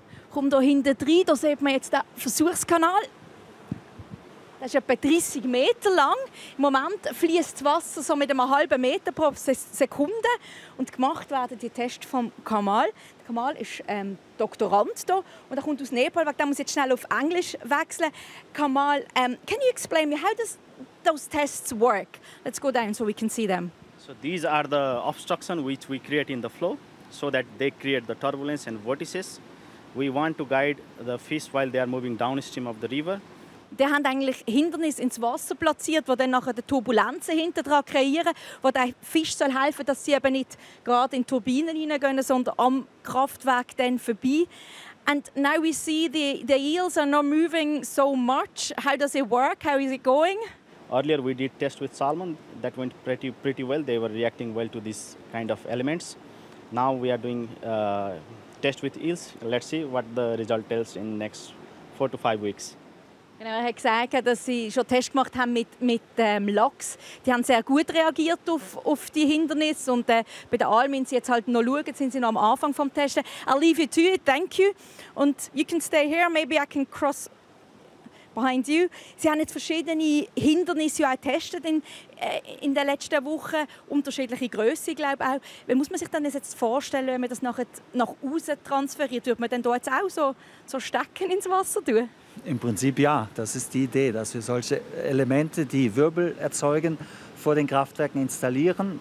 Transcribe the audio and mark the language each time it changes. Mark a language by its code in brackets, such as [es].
[de] Kommt hier hinten rein, da sieht man jetzt den Versuchskanal. Der ist etwa 30 Meter lang. Im Moment fließt das Wasser so mit einem halben Meter pro Sekunde. Und gemacht werden die Tests vom Kamal. Der Kamal ist Doktorand hier und er kommt aus Nepal. Da muss ich jetzt schnell auf Englisch wechseln. [en] Kamal, can you explain me, how does those tests work? Let's go down so we can see them. So these are the obstructions which we create in the flow, so that they create the turbulence and vortices. We want to guide the fish while they are moving downstream of the river. [de] Die haben eigentlich Hindernisse ins Wasser platziert, die dann nachher die Turbulenzen hinter dran kreieren, die den Fisch helfen sollen, dass sie eben nicht gerade in Turbinen hineingehen, sondern am Kraftwerk dann vorbei. [en] And now we see the eels are not moving so much. How does it work? How is it going? Earlier we did test with salmon. That went pretty well. They were reacting well to these kind of elements. Now we are doing test with eels. Let's see what the result tells in next 4 to 5 weeks. [de] Genau, er hat gesagt, dass sie schon Tests gemacht haben mit Lachs. Die haben sehr gut reagiert auf die Hindernisse. Und bei der Almin sie jetzt halt noch schauen, sind sie noch am Anfang vom Testen. [en] I'll leave you to it, thank you. And you can stay here, maybe I can cross behind you. [de] Sie haben jetzt verschiedene Hindernisse auch getestet in den letzten Wochen. Unterschiedliche Grösse, glaube ich auch. Wie muss man sich denn das jetzt vorstellen, wenn man das nachher nach außen transferiert? Würde man dann da jetzt auch so Stecken ins Wasser tun? Im Prinzip ja, das ist die Idee, dass wir solche Elemente, die Wirbel erzeugen, vor den Kraftwerken installieren.